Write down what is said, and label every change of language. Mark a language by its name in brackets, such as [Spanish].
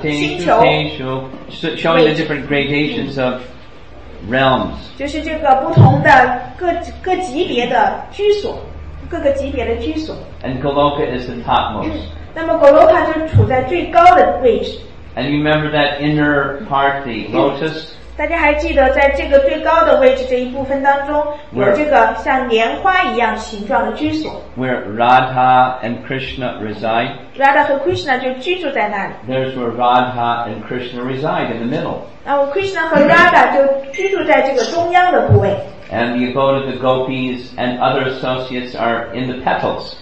[English] Teshu, Teshu, showing the different gradations of realms. [Chinese] 就是这个不同的各级别的居所。各个级别的居所。 [English] And Goloka is the topmost. [Chinese] 那么 Goloka 就处在最高的位置。 [English] And you remember that inner part, the lotus? [Chinese] 大家还记得在这个最高的位置这一部分当中有这个像莲花一样形状的居所。 [English] Where Radha and Krishna reside. [Chinese] Radha 和 Krishna 就居住在那里。 [English] There's where Radha and Krishna reside in the middle. [Chinese] 然后 Krishna 和 Radha 就居住在这个中央的部位。 [English] And the abode of the gopis and other associates are in the petals.